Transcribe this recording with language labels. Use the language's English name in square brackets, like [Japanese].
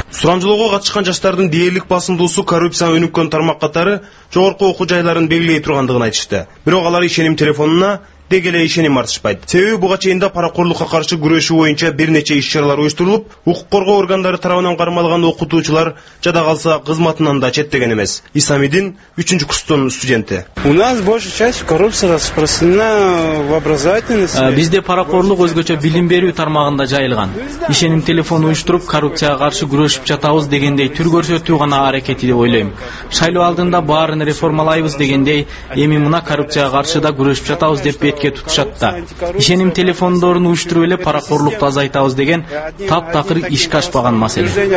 [Kyrgyz] Сурамжылоого катышкан жаштардын дээрлик басымдуусу коррупцияга өнүккөн тармак катары жогорку окуу жайларын белгилей тургандыгын айтышты. Бирок алар ишеним телефонуна деги эле ишеним артышпайт. Себеби буга чейин да паракорлукка каршы күрөшүү боюнча бир нече иш чаралар уюштурулуп, укук коргоо органдары тарабынан кармалган окутуучулар жада калса кызматынан да четтеген эмес. Исамидин 3-чү курстун студенти. [Russian] У нас большая часть коррупция распространена в образовательной сфере. [Kyrgyz] Бизде паракорлук өзгөчө билим берүү тармагында жайылган. Ишеним телефон уюштуруп коррупцияга каршы күрөшүп жатабыз дегендей түр көрсөтүү гана аракети деп ойлойм. Шайлоо алдында баарын реформалайбыз дегендей эми мына коррупцияга каршы да күрөшүп жатабыз деп бетке тутушат да. Ишеним телефондорун уюштуруп эле паракорлукту азайтабыз деген таптакыр ишке ашпаган маселе.